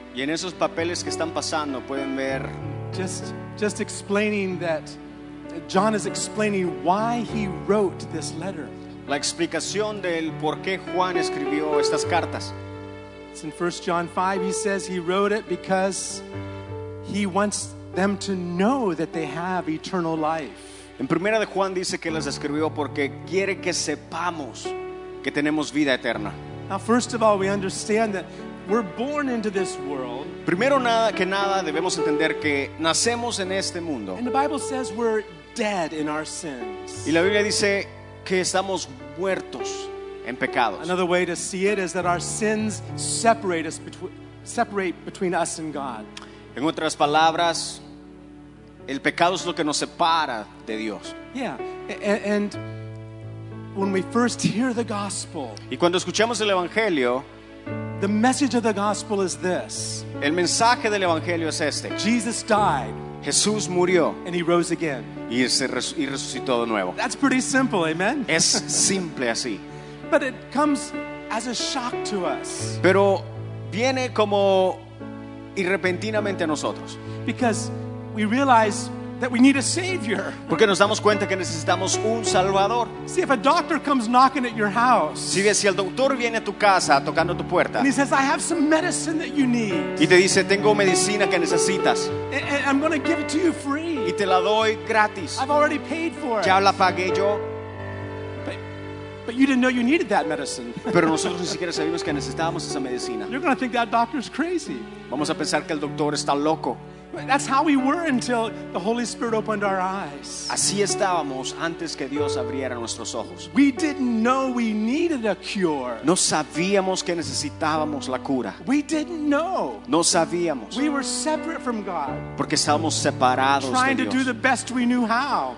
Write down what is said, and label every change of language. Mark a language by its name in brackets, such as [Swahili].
[Spanish] Y en esos papeles que están pasando pueden ver [English] just explaining that John is explaining why he wrote this letter. [Spanish] La explicación del por qué Juan escribió estas cartas. [English] It's in 1 John 5, he says he wrote it because he wants them to know that they have eternal life. [Spanish] En primera de Juan dice que las escribió porque quiere que sepamos que tenemos vida eterna. [English] Now, first of all, we understand that we're born into this world. [Spanish] Primero nada que nada debemos entender que nacemos en este mundo. [English] And the Bible says we're dead in our sins. [Spanish] Y la Biblia dice que estamos muertos en pecados. [English] Another way to see it is that our sins separate between us and God. [Spanish] En otras palabras, el pecado es lo que nos separa de Dios. [English] Yeah, and when we first hear the gospel, [Spanish] y cuando escuchamos el evangelio, [English] the message of the gospel is this. [Spanish] El mensaje del evangelio es este. [English] Jesus died. [Spanish] Jesús murió. [English] And he rose again. [Spanish] Y resucitó de nuevo. [English] That's pretty simple, amen. [Spanish] Es simple así. [English] But it comes as a shock to us. [Spanish] Pero viene como y repentinamente a nosotros. [English] Because we realize that we need a savior. [Spanish] Porque nos damos cuenta que necesitamos un salvador. [English] See, if a doctor comes knocking at your house. [Spanish] Si ves, si el doctor viene a tu casa tocando tu puerta. [English] And he says, I have some medicine that you need. [Spanish] Y te dice, tengo medicina que necesitas. [English] And I'm going to give it to you free. [Spanish] Y te la doy gratis. [English] I've already paid for it. [Spanish] Ya la pagué yo. [English] But you didn't know you needed that medicine. [Spanish] Pero nosotros ni siquiera sabíamos que necesitábamos esa medicina. [English] You're going to think that doctor's crazy. [Spanish] Vamos a pensar que el doctor está loco. [English] That's how we were until the Holy Spirit opened our eyes. [Spanish] Así estábamos antes que Dios abriera nuestros ojos. [English] We didn't know we needed a cure. [Spanish] No sabíamos que necesitábamos la cura. [English] We didn't know. [Spanish] No sabíamos. [English] We were separate from God. [Spanish] Porque estábamos separados de Dios. [English] Trying to do the best we knew how.